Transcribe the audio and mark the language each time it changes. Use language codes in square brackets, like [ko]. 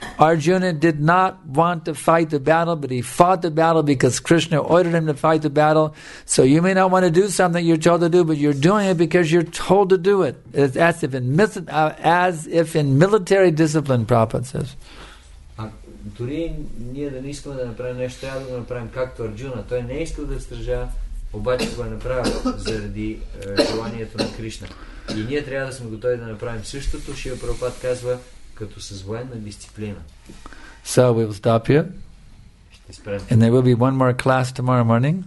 [en] Arjuna did not want to fight the battle, but he fought the battle because Krishna ordered him to fight the battle. So you may not want to do something you're told to do, but you're doing it because you're told to do it. It's as if in military discipline, Prabhupada says. [bg] Дори ние да не искаме да направим нещо, трябва да го направим както Арджуна. Той не искал да стража, обаче го е направил заради желанието на Кришна. И ние трябва да сме готови да направим същото, Шива Прабхупад казва, като с военна дисциплина. [en] So we will stop here. [bg] Ще спрем. [en] And there will be one more class tomorrow morning.